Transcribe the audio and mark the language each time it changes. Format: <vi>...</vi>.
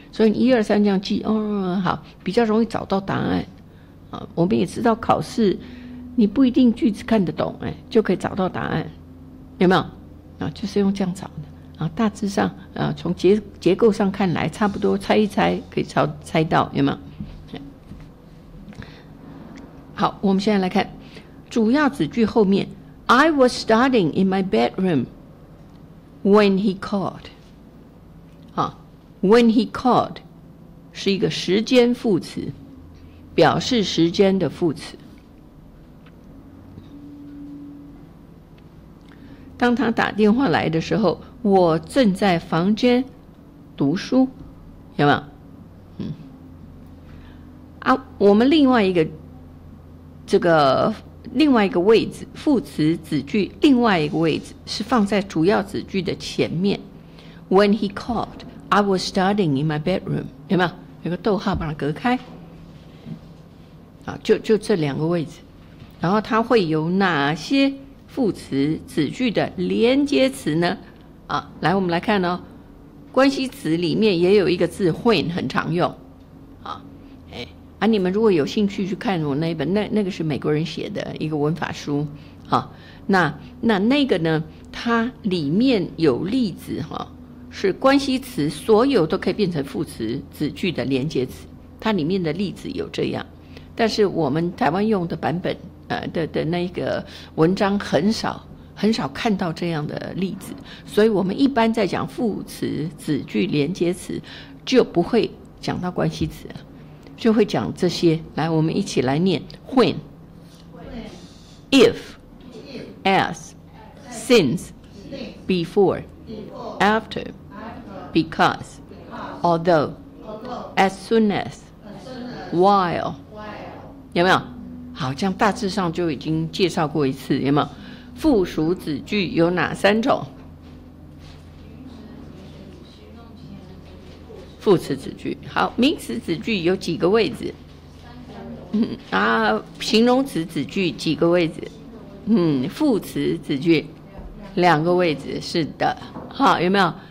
<zh>所以你一二三这样记，哦，好，比较容易找到答案啊、哦。我们也知道考试你不一定句子看得懂，哎，就可以找到答案，有没有？啊，就是用这样找的啊，大致上啊，从结构上看来，差不多猜一猜可以猜到，有没有？好，我们现在来看主要子句后面</zh> <en>I was studying in my bedroom when he called.</en> <zh>好 ，</zh> <en>when he called</en> <zh>是一个时间副词，表示时间的副词。当他打电话来的时候，我正在房间读书，有没有？啊，我们另外一个这个另外一个位置，副词子句另外一个位置是放在主要子句的前面。</zh> <en>When he called, I was studying in my bedroom.</en> <zh>有没有？有个逗号把它隔开。啊，就这两个位置，然后它会有哪些副词子句的连接词呢？啊，来，我们来看哦，关系词里面也有一个字 when 很常用。啊，你们如果有兴趣去看我那一本，那个是美国人写的一个文法书，啊，那个呢，它里面有例子哈，啊，是关系词所有都可以变成副词子句的连接词，它里面的例子有这样，但是我们台湾用的版本的那个文章很少看到这样的例子，所以我们一般在讲副词子句连接词就不会讲到关系词了。就会讲这些，来，我们一起来念</zh> <en>when, if, as, since, before, after, because, although, as soon as, while,</en> <zh>有没有？好，这样大致上就已经介绍过一次，有没有？附属子句有哪三种？副词子句，好，名词子句有几个位置？形容词子句几个位置？副词子句两个位置，是的。好，有没有？</zh>